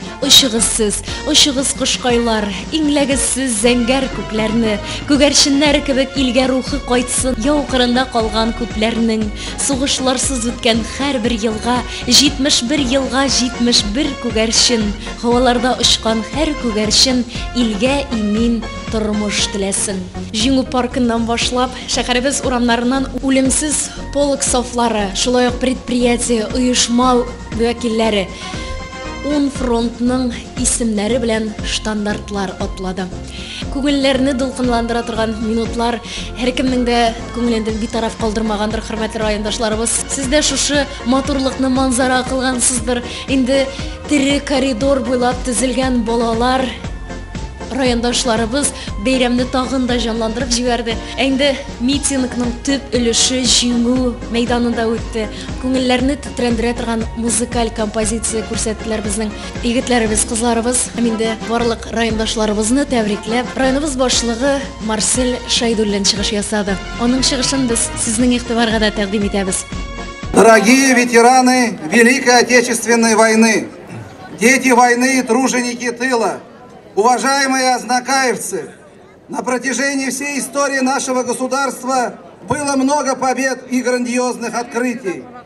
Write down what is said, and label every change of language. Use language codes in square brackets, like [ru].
[tt] Ұшығызсыз, ұшығыз құшқайлар, иңләгізсіз зәңгәр күкләрні, күгәршіннәр кебек илге рухы қайтсын, яу қырында қалған күплерінің, соғышларсыз өткен һәр бір йылға, 71 йылға 71 күгәршін, хаваларда ұшқан һәр күгәршін илге имин тұрмыш тілесін. Жиңу паркынан башлап, шәһәребез урамнарынан үлемсіз полк сафлары, шулай ук предприятие, ұйышма вәкилләре. Он фронтның исемләре белән стандартлар атлады. Күңелләрне дулкынландыра торган минутлар һәркемнең дә күңелендә битараф калдырмагандыр, хөрмәтле райондашларыбыз. Сез дә шушы матурлыкны манзара кылгансыздыр. Инде тире коридор буйлап тизелгән балалар райондашларыбыз бәйрәмне тагын да җанландырып җибәрде. Инде митингның төп өлеше җиңү мәйданында үтте. Күңелләрне тетрәндерә торган музыкаль композиция күрсәттеләр безнең егетләребез, кызларыбыз. Һәм инде барлык райондашларыбызны тәбрикләп, районыбыз башлыгы Марсель Шайдуллин чыгыш ясады. Аның чыгышын без сезнең игътибарга да тәкъдим итәбез. [ru] Дорогие ветераны Великой Отечественной войны, дети войны и труженики тыла, уважаемые ознакаевцы, на протяжении всей истории нашего государства было много побед и грандиозных открытий.